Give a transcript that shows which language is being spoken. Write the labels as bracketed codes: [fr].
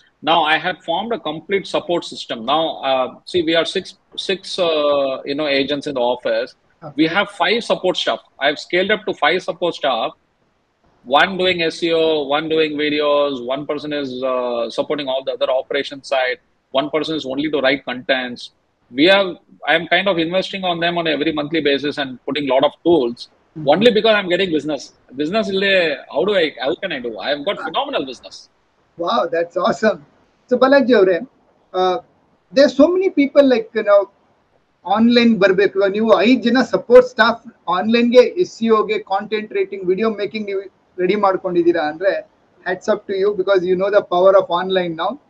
[en] Now I have formed a complete support system. Now see, we are six agents in the office. We have five support staff. I have scaled up to five support staff. One doing SEO, one doing videos, one person is supporting all the other operations side, one person is only to write contents. I am kind of investing on them on every monthly basis and putting a lot of tools, only because I'm getting business. Business is like, how can I do? I've got phenomenal business. Wow, that's awesome. [kn] So Balaji avre, [en] there's so many people like, [kn] online ಬರ್ಬೇಕು, ನೀವು ಐದು ಜನ support staff ಆನ್ಲೈನ್ಗೆ ಎಸ್ಇಒಗೆ content rating video making ನೀವು ready ಮಾಡ್ಕೊಂಡಿದ್ದೀರಾ ಅಂದರೆ [en] Hats up to you, because you know the power of online now.